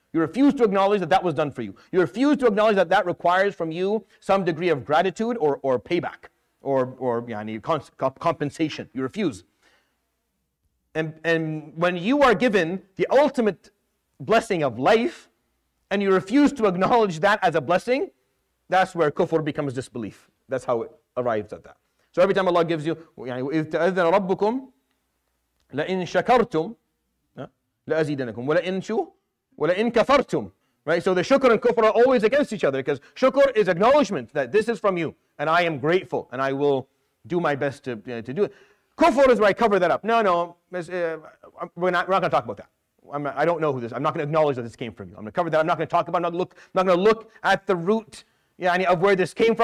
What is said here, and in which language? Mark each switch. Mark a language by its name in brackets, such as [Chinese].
[English] You refuse to acknowledge that that was done for you. You refuse to acknowledge that that requires from you some degree of gratitude or payback or yani, compensation. You refuse. And when you are given the ultimate blessing of life and you refuse to acknowledge that as a blessing, that's where kufr becomes disbelief. That's how it arrives at that. So every time Allah gives you, [Arabic] إِذْ تَأَذَّنَ رَبُّكُمْ لَإِنْ شَكَرْتُمْ لَأَزِيدَنَكُمْ وَلَئِن كَفَرْتُمْ, right? [English] So the shukr and kufr are always against each other because shukr is acknowledgement that this is from you and I am grateful and I will do my best to do it. Kufr is where I cover that up. No, we're not going to talk about that. I don't know who this is. I'm not going to acknowledge that this came from you. I'm going to cover that. I'm not going to talk about it. I'm not going to look at the root of where this came from.